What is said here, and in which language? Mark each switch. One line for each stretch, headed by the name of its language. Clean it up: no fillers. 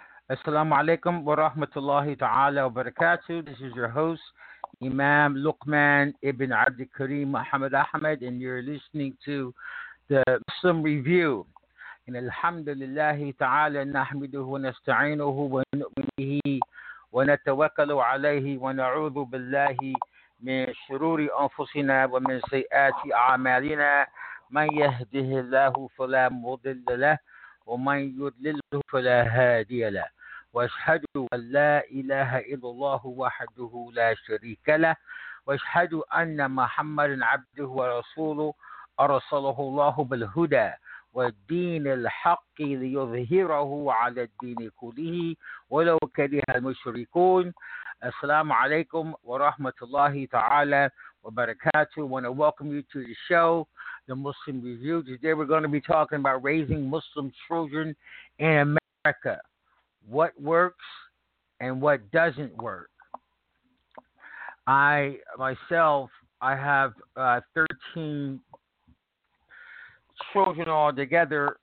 Arabic: السلام عليكم ورحمة الله تعالى وبركاته.
English: This is your host, Imam Luqman ibn Abd al-Karim Muhammad Ahmed, and you're listening to the Muslim Review.
Arabic: In alhamdulillah ta'ala, nahmiduhu wa nasta'inuhu wa nu'minuhu wa natawakkalu alayhi wa na'udhu billahi min shururi anfusina wa min sayyati a'malina. من يهده الله فلا مضل له ومن يضلله فلا هادي له واشهد أن لا إله إلا الله وحده لا شريك له واشهد أن محمد عبده ورسوله أرسله الله بالهدى والدين الحق ليظهره على الدين كله ولو كره المشركون. السلام عليكم ورحمة الله تعالى وبركاته.
English: I want to welcome you to the show, The Muslim Review. Today we're going to be talking about raising Muslim children in America. What works and what doesn't work. I have 13 children all together.